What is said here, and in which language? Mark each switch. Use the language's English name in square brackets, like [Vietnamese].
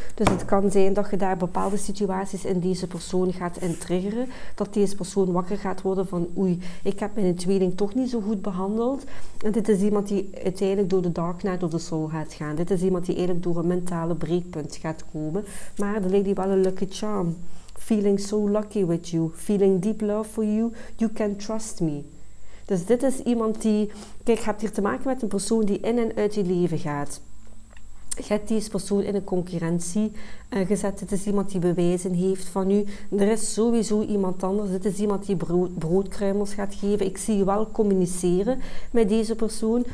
[Dutch] Dus het kan zijn dat je daar bepaalde situaties in deze persoon gaat intriggeren. Dat deze persoon wakker gaat worden van, oei, ik heb mijn tweeling toch niet zo goed behandeld. En dit is iemand die uiteindelijk door de [English] dark night of the soul [Dutch] gaat gaan. Dit is iemand die eigenlijk door een mentale breekpunt gaat komen. Maar er ligt hier wel een lucky charm. [English] Feeling so lucky with you. Feeling deep love for you. You can trust me. [Dutch] Dus dit is iemand die... Kijk, je hebt hier te maken met een persoon die in en uit je leven gaat. Je hebt deze persoon in een concurrentie gezet. Dit is iemand die bewijzen heeft van u. Er is sowieso iemand anders. Dit is iemand die broodkruimels gaat geven. Ik zie je wel communiceren met deze persoon.